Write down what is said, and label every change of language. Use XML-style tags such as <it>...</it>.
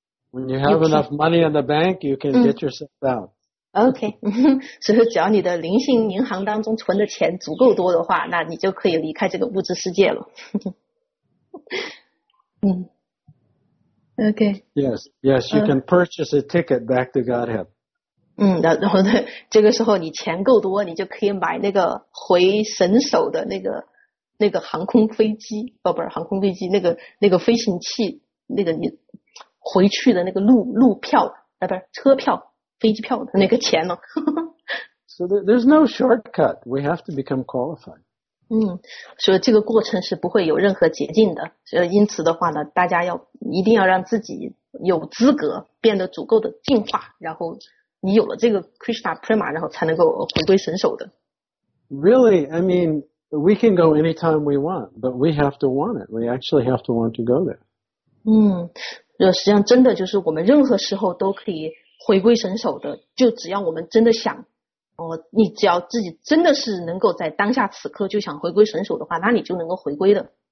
<en>When you have enough money in the bank, you can get yourself out. Okay.</en> <zh>所以只要你的灵性银行当中存的钱足够多的话，那你就可以离开这个物质世界了。</zh> <en>Okay. Yes, you can purchase a ticket back to Godhead.</en> <zh>然后呢，这个时候你钱够多，你就可以买那个回神手的那个航空飞机，不是航空飞机，那个飞行器，那个你回去的那个路票，不是车票，飞机票的那个钱了。</zh> <en>So there's no shortcut. We have to become qualified.</en> <zh>所以这个过程是不会有任何捷径的，所以因此的话呢，大家要一定要让自己有资格变得足够的进化，然后你有了这个 Krishna Prema， 然后才能够回归神手的。</zh> <en>Really, I mean, we can go anytime we want, but we have to want it. We actually have to want to go there.</en> <zh>实际上真的就是我们任何时候都可以回归神手的，就只要我们真的想。你只要自己真的是能够在当下此刻就想回归神手的话，那你就能够回归的。</zh>